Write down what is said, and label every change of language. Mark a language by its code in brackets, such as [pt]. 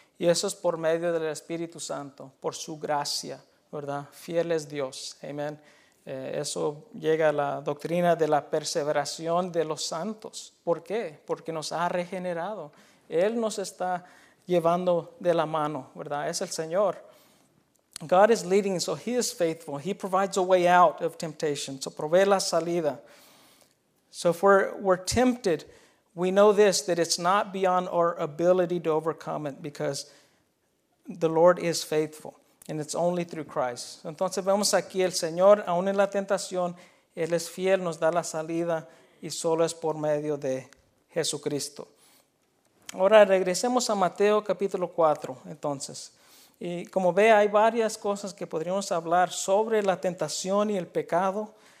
[es] Y eso es por medio del Espíritu Santo, por su gracia, ¿verdad? Fiel es Dios, amén. Eso llega a la doctrina de la perseveración de los santos. ¿Por qué? Porque nos ha regenerado. Él nos está llevando de la mano, ¿verdad? Es el Señor. [en] God is leading, so he is faithful. He provides a way out of temptation. So provee la salida. So if we're tempted, we know this, that it's not beyond our ability to overcome it because the Lord is faithful. And it's only through Christ. [es] Entonces vemos aquí el Señor, aún en la tentación, Él es fiel, nos da la salida y solo es por medio de Jesucristo. Ahora regresemos a Mateo capítulo 4, entonces. Y como ve, hay varias cosas que podríamos hablar sobre la tentación y el pecado.